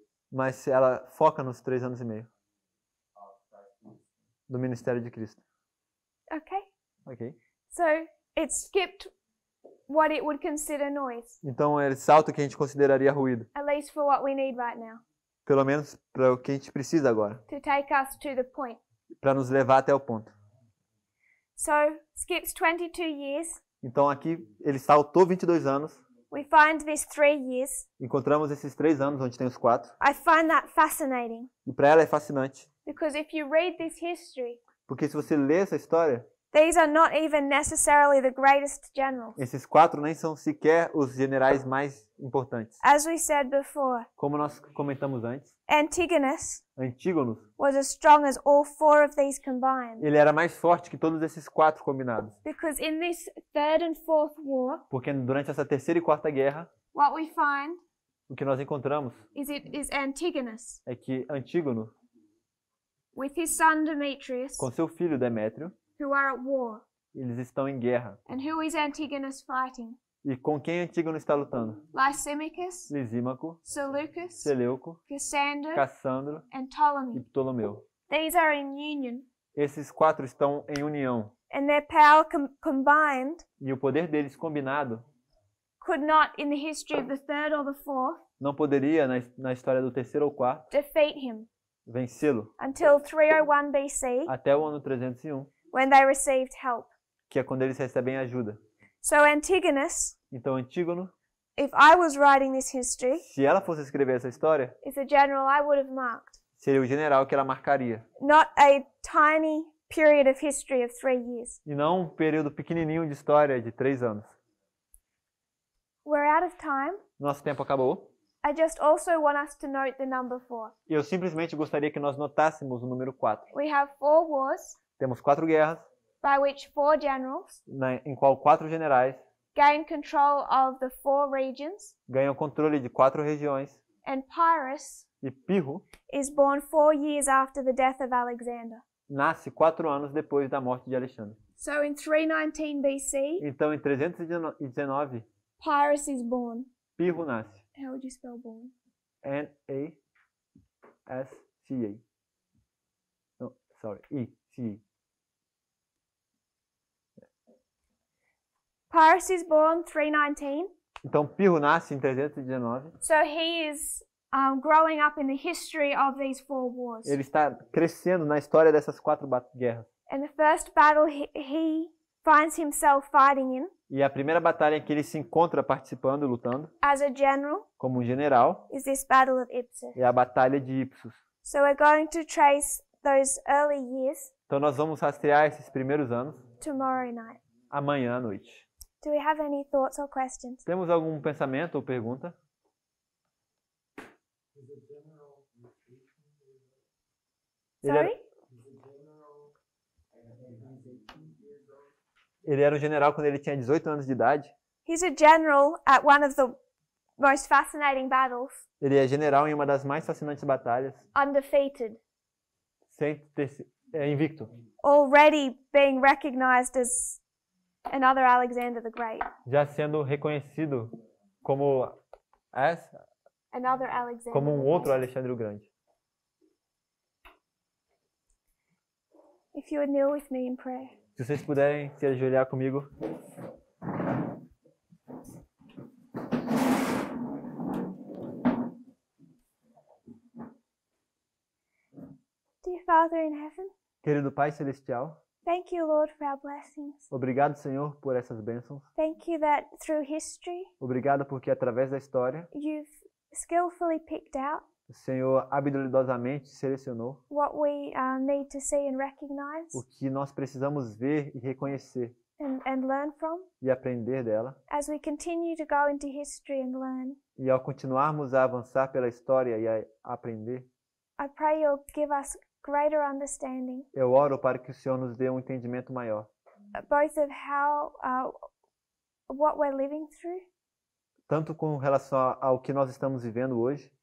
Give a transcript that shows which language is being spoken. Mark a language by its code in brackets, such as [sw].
[pt] Mas ela foca nos 3 anos e meio do ministério de Cristo. Ok. Ok. [en] So, it skipped what it would consider noise. [pt] Então, ele salta o que a gente consideraria ruído. [en] At least for what we need right now. [pt] Pelo menos para o que a gente precisa agora. [en] To take us to the point. [pt] Para nos levar até o ponto. [en] So, skips 22 years. [pt] Então, aqui, ele saltou 22 anos. [en] We find these 3 years. [pt] Encontramos esses 3 anos, onde tem os 4. [en] I find that fascinating. [pt] E para ela é fascinante. [en] Because if you read this history, [pt] porque se você lê essa história, [en] these are not even necessarily the greatest generals. [pt] Esses 4 nem são sequer os generais mais importantes. [en] As we said before, [pt] como nós comentamos antes, [en] Antígonos was as strong as all 4 of these combined. [pt] Ele era mais forte que todos esses 4 combinados. [en] Because in this third and fourth war, [pt] porque durante essa terceira e quarta guerra, [en] what we find, [pt] o que nós encontramos, [en] is Antigonus, [pt] é que Antígono, [en] with his son Demetrius, [pt] com seu filho Demétrio, [en] who are at war. [pt] Eles estão em guerra. [en] And who is Antigonus fighting? [pt] E com quem Antígono está lutando? [en] Lysimachus. [pt] Lisímaco. [en] Seleucus. [pt] Seleuco. [en] Cassander. [pt] Cassandro. [en] And Ptolemy. [pt] E Ptolomeu. [en] These are in union. [pt] Esses 4 estão em união. [en] And their power combined. [pt] E o poder deles combinado. [en] Could not, in the history of the third or the fourth. [pt] Não poderia na história do terceiro ou quarto. [en] Defeat him. [pt] vencê-lo. [en] Until 301 BC. [pt] Até o ano 301. [en] When they received help. [pt] Que é quando eles recebem ajuda. [en] So Antigonus. [pt] Então Antígono. [en] If I was writing this history. [pt] Se ela fosse escrever essa história. [en] Is a general I would have marked. [pt] Seria o general que ela marcaria. [en] Not a tiny period of history of 3 years. [pt] E não um período pequenininho de história de 3 anos. [en] We're out of time. [pt] Nosso tempo acabou. [en] I just also want us to note the number 4. [pt] Eu simplesmente gostaria que nós notássemos o número 4. [en] We have 4 wars. [pt] Temos 4 guerras. [en] By which 4 generals. [pt] Em qual 4 generais. [en] Gain control of the 4 regions. [pt] Ganham controle de 4 regiões. [en] And Pyrrhus. [pt] E Pirro. [en] Is born 4 years after the death of Alexander. [pt] Nasce 4 anos depois da morte de Alexandre. [en] So in 319 BC. [pt] Então em 319. [en] Pyrrhus is born. [pt] Pirro nasce. [en] How would you spell born? N-A-S-C-A. No, sorry, E-C-A. Pyrrhus is born 319. [pt] Então Pirro nasce em 319. [en] So he is growing up in the history of these 4 wars. [pt] Ele está crescendo na história dessas 4 guerras. [en] And the first battle he finds himself fighting in. [pt] E a primeira batalha em que ele se encontra participando e lutando. [en] As a general. [pt] Como um general. [en] Is this battle of Ipsus. [pt] É a batalha de Ipsus. [en] So we're going to trace those early years. [pt] Então nós vamos rastrear esses primeiros anos. [en] Tomorrow night. [pt] Amanhã à noite. [en] Do we have any thoughts or questions? [pt] Temos algum pensamento ou pergunta? [en] Sorry? [pt] Ele era um general quando ele tinha 18 anos de idade. [en] He's a general at one of the most fascinating battles. [pt] Ele é general em uma das mais fascinantes batalhas. [en] Undefeated. [pt] Sem ter, invicto. [en] Already being recognized as another Alexander the Great. [pt] Já sendo reconhecido como [en] another Alexander. [pt] Como um outro Alexandre o Grande. [en] If you would kneel with me in prayer. [pt] Se vocês puderem se ajoelhar comigo. [en] Dear Father in Heaven. [pt] Querido Pai Celestial. [en] Thank you, Lord, for our blessings. [pt] Obrigado, Senhor, por essas bênçãos. [en] Thank you that through history. [pt] Obrigado porque através da história. [en] You've skillfully picked out. [pt] O Senhor habilidosamente selecionou [en] what we need to see and recognize, [pt] o que nós precisamos ver e reconhecer [en] and learn from, [pt] e aprender dela. [en] As we continue to go into history and learn, [pt] e ao continuarmos a avançar pela história e a aprender, [en] I pray you'll give us greater understanding, [pt] eu oro para que o Senhor nos dê um entendimento maior, [en] both of how, what we're living through, [pt] tanto com relação ao que nós estamos vivendo hoje.